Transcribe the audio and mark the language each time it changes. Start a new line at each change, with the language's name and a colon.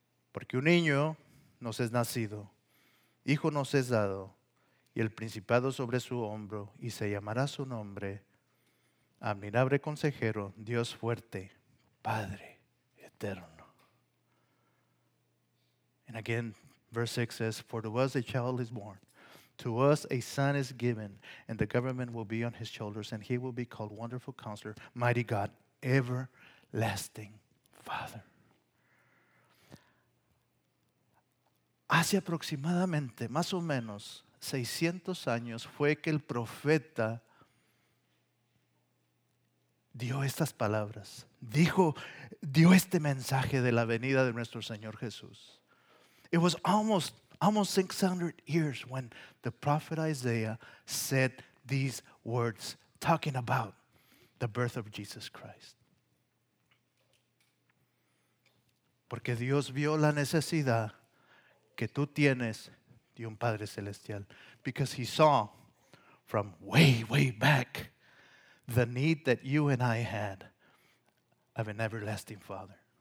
Spanish: Porque un niño nos es nacido, hijo nos es dado, y el principado sobre su hombro, y se llamará su nombre, admirable consejero, Dios fuerte, Padre eterno.
English: And again, verse 6 says, for to us a child is born, to us a son is given, and the government will be on his shoulders, and he will be called Wonderful Counselor, Mighty God, Everlasting Father.
Spanish: Hace aproximadamente, más o menos, 600 años fue que el profeta dio estas palabras, dijo, dio este mensaje de la venida de nuestro Señor Jesús.
English: It was almost 600 years when the prophet Isaiah said these words, talking about the birth of Jesus Christ.
Spanish: Porque Dios vio la necesidad que tú tienes de un Padre Celestial.
English: Because he saw from way, way back the need that you and I had of an everlasting Father.